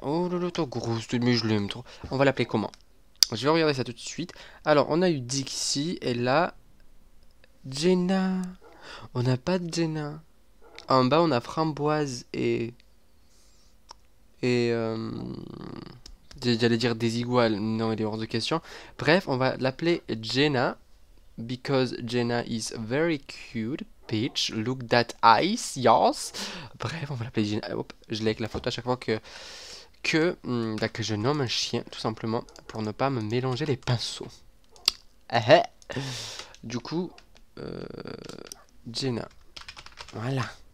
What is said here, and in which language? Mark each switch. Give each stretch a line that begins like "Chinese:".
French: Oh là là, t'es grosse, mais je l'aime trop. On va l'appeler comment? Je vais regarder ça tout de suite. Alors, on a eu Dixie et là. Jenna. On n'a pas de Jenna. En bas, on a Framboise et. et j'allais dire des iguales, non, il est hors de question. Bref, on va l'appeler Jenna,
English: because Jenna is very cute. Peach, look that eyes, yours.
French: Bref, on va l'appeler Jenna. Hop, je like la photo à chaque fois que je nomme un chien, tout simplement, pour ne pas me mélanger les pinceaux. Du coup, Jenna. Voilà.